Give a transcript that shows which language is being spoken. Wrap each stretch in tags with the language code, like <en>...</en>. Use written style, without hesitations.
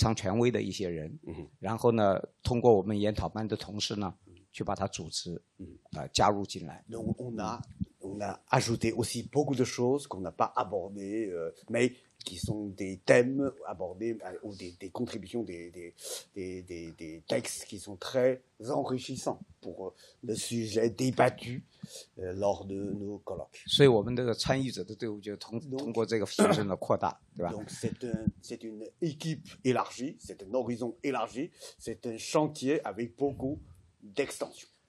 <zh>我们这个就是上课的老师，有一些是就是他是这个问题的非常权威的一些人，然后呢，通过我们研讨班的同事呢，去把它组织，加入进来。</zh> <fr>Donc on a ajouté aussi beaucoup de choses qu'on n'a pas abordées, mais qui sont des thèmes abordés ou des contributions, des textes qui sont très enrichissants pour le sujet débattu lors de nos colloques.</fr> <zh>所以我们的参与者的队伍就通过这个形成的扩大，</zh> <fr>donc,</fr> <zh>对吧？</zh> <fr>C'est une équipe élargie, c'est un horizon élargi, c'est un chantier avec beaucoup d'extensions.</fr>